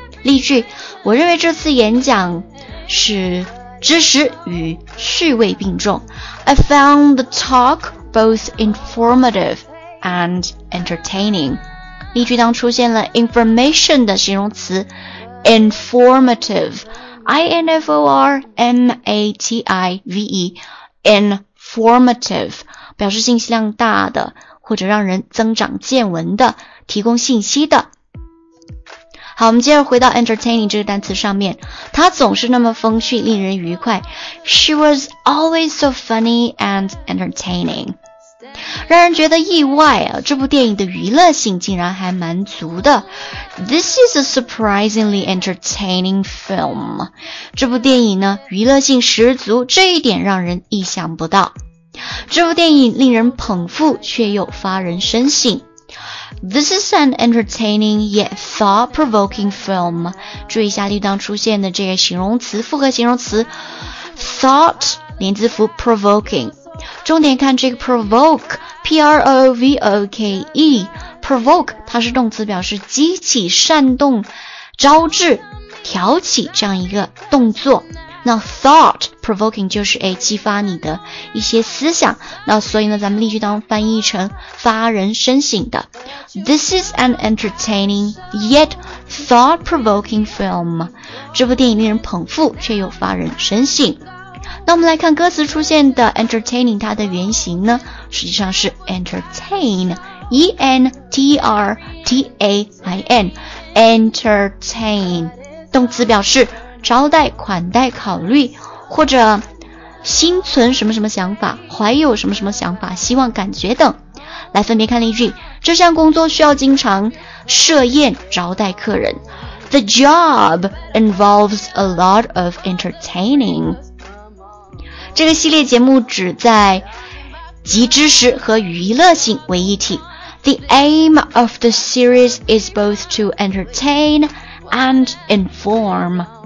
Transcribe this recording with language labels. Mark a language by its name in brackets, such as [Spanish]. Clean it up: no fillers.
[Chinese] 例句，我认为这次演讲是知识与趣味并重。 [English] I found the talk both informative and entertaining. [Chinese] 例句当出现了 information 的形容词 informative, I-N-F-O-R-M-A-T-I-V-E, informative, 表示信息量大的，或者让人增长见闻的，提供信息的。好，我们接着回到 entertaining 这个单词上面，它总是那么风趣，令人愉快。 [English] She was always so funny and entertaining. [Chinese] 让人觉得意外啊，这部电影的娱乐性竟然还蛮足的。 [English] This is a surprisingly entertaining film. [Chinese] 这部电影呢，娱乐性十足，这一点让人意想不到。这部电影令人捧腹，却又发人深省。 [English] This is an entertaining yet thought-provoking film. [Chinese] 注意一下例当出现的这个形容词，复合形容词 thought 连字符 provoking. 重点看这个 provoke, P-R-O-V-O-K-E, provoke 它是动词，表示激起、煽动、招致、挑起这样一个动作。那 thought provoking 就是激发你的一些思想，那所以呢，咱们例句当翻译成发人深省的。 [English] This is an entertaining yet thought provoking film. [Chinese] 这部电影令人捧腹，却又发人深省。那我们来看歌词出现的 entertaining， 它的原型呢，实际上是 entertain， E N T R T A I N， entertain， 动词表示招待、款待、考虑，或者心存什么什么想法，怀有什么什么想法、希望、感觉等。来分别看例句，这项工作需要经常设宴招待客人。 [English] The job involves a lot of entertaining. [Chinese] 这个系列节目旨在集知识和娱乐性为一体。 [English] The aim of the series is both to entertain and inform.